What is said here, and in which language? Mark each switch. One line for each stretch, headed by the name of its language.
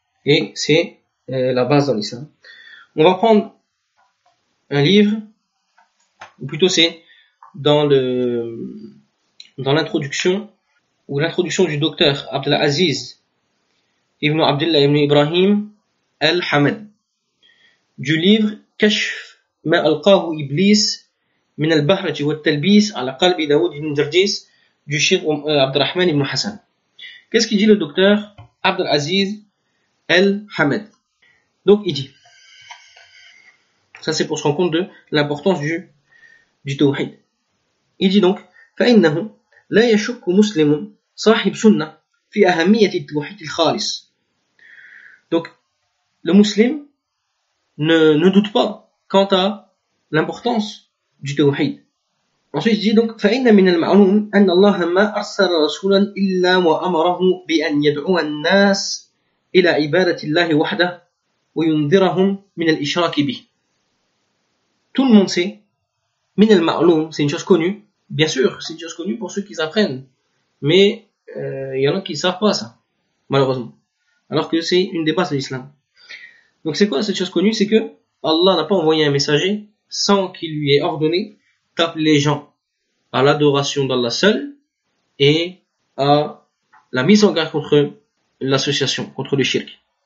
French: Et c'est la base dans l'islam. On va prendre un livre, ou plutôt c'est dans l'introduction, ou l'introduction du docteur Abdelaziz Ibn Abdullah Ibn Ibrahim Al-Hamad, du livre Kashf ma alqahu Iblis min al-bahrati wa talbis ala qalbi Daoud Ibn Jardis, du Cheikh Abdelrahman Ibn Hassan. Qu'est-ce qu'il dit le docteur Abdelaziz Al-Hamad? Donc il dit, ça c'est pour se rendre compte de l'importance du tawhid.
Arabic: Il dit donc, فإنه لا يشك مسلم صاحب سنة في أهمية التوحيد الخالص.
French: Donc, le musulman ne doute pas quant à l'importance du tawhid.
Arabic: Ensuite, il dit donc, فإن من المعلوم أن الله ما أرسل رسولا إلا وأمره بأن يدعو الناس إلى عبادة الله وحده وينذرهم من الإشراك به.
French: Tout le monde sait, min al-ma'loum, c'est une chose connue, bien sûr, c'est une chose connue pour ceux qui apprennent, mais il y en a qui ne savent pas ça, malheureusement, alors que c'est une des bases de l'islam. Donc c'est quoi cette chose connue? C'est que Allah n'a pas envoyé un messager sans qu'il lui ait ordonné d'appeler les gens à l'adoration d'Allah seul et à la mise en garde contre l'association, contre le shirk.